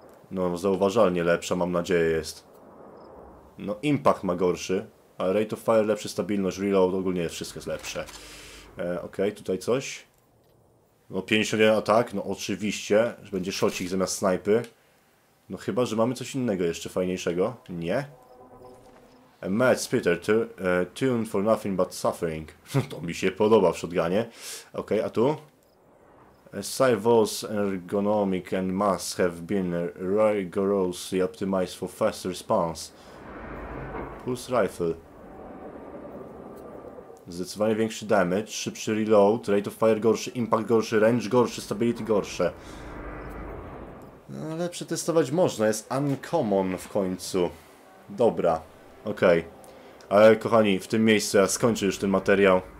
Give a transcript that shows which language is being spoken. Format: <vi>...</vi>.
<pl>No zauważalnie lepsza, mam nadzieję, jest. No impact ma gorszy, ale rate of fire lepszy, stabilność, reload, ogólnie wszystko jest lepsze. Okej, okay, tutaj coś. No 51 atak, no oczywiście, że będzie szocik zamiast snajpy. No chyba, że mamy coś innego jeszcze fajniejszego. Nie?</pl> <en>A mad spitter, tuned for nothing but suffering.</en> <pl>To mi się podoba w shotgunie. Okej, okay, a tu?</pl> <en>Sci-Vos ergonomic and mass have been rigorously optimized for fast response. Pulse rifle.</en> <pl>Zdecydowanie większy damage, szybszy reload, rate of fire gorszy, impact gorszy, range gorszy, stability gorsze. No, ale przetestować można, jest uncommon w końcu. Dobra, okej. Ale kochani, w tym miejscu ja skończę już ten materiał.</pl>